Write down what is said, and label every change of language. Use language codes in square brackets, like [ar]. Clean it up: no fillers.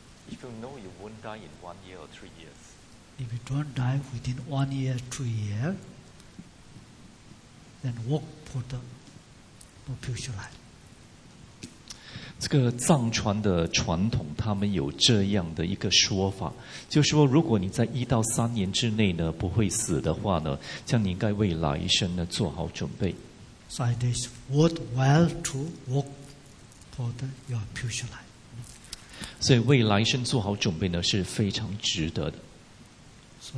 [en] If you know you won't die in 1 year or 3 years. If you don't die within 1 year, 2 years, then work for the future life. [zh] 这个藏传的传统，他们有这样的一个说法，就是说，如果你在1到3年之内呢不会死的话呢，像你应该为来生呢做好准备。So [en] it is worthwhile to work for your future life. [zh] 所以为来生做好准备呢是非常值得的。So